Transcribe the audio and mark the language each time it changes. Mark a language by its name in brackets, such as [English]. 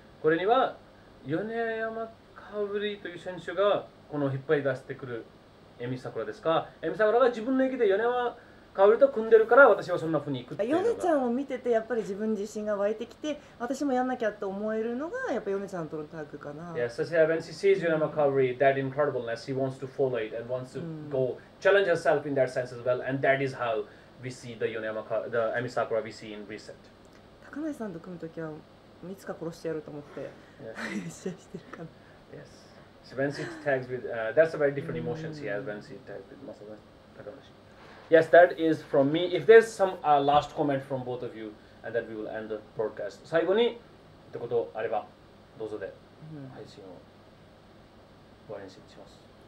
[Japanese] これには米山かぶりという選手がこの引っ張り出してくる Amisakura ですか、 Amisakura が自分の意気で米山カウリと組んでるから私はそんな風に行くっていうのが、ヨネちゃんを見ててやっぱり自分自身が湧いてきて私もやんなきゃと思えるのがやっぱヨネちゃんとのタッグかな。 [English] Yes, so she, when she sees Yonema Kaori, that incredibleness, she wants to follow it and wants to go challenge herself in that sense as well, and that is how we see the Yonema Kaori, the Amisakura we see in Reset. [Japanese] 高梨さんと組むときはいつか殺してやると思って試合してるかな。 [English] Yes, so when she tags with, that's a very different emotion she has when she tags with Masada Takanashi. Yes, that is from me. If there's some last comment from both of you, and then we will end the broadcast. [Japanese] 最後にってことあればどうぞで配信を終わりにします。